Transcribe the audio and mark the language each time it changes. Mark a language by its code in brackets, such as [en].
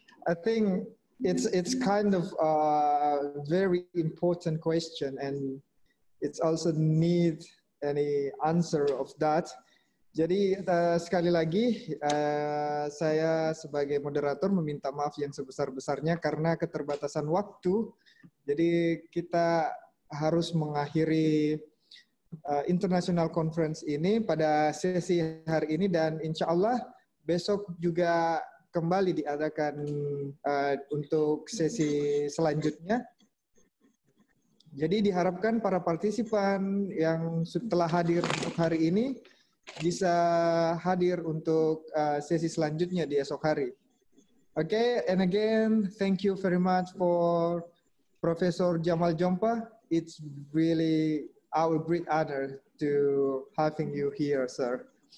[en] I think it's kind of a very important question, and it's also need any answer of that. [id] Jadi sekali lagi saya sebagai moderator meminta maaf yang sebesar-besarnya karena keterbatasan waktu. Jadi kita harus mengakhiri international conference ini pada sesi hari ini, dan insya Allah besok juga kembali diadakan untuk sesi selanjutnya. Jadi diharapkan para partisipan yang telah hadir untuk hari ini bisa hadir untuk sesi selanjutnya di esok hari. [en] Okay, and again, thank you very much for Professor Jamal Jompa. It's really our great honor to having you here, sir.